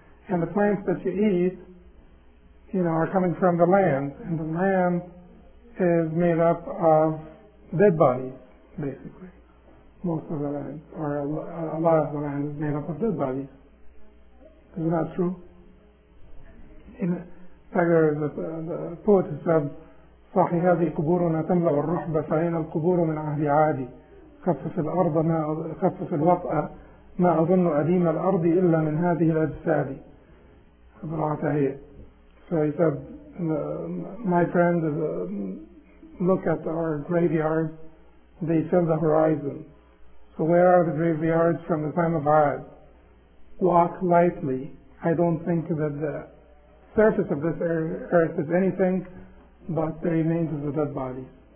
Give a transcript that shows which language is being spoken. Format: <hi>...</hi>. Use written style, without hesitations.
<en>And the plants that you eat, you know, are coming from the land. And the land is made up of dead bodies, basically. Most of the land, or a lot of the land is made up of dead bodies. Is that true? In fact, there is a poet who said,</en> <ar>صحي هذه قبورنا تملأ الرحب فأين القبور من عهد عادي خفف الأرض ما خفف الوطأ ما أظن أديم الأرض إلا من هذه الأجساد.</ar> <en>So he said, my friend, look at our graveyards, they fill the horizon. So where are the graveyards from the time of Ad? Walk lightly. I don't think that the surface of this earth is anything but the remains of the dead bodies.</en>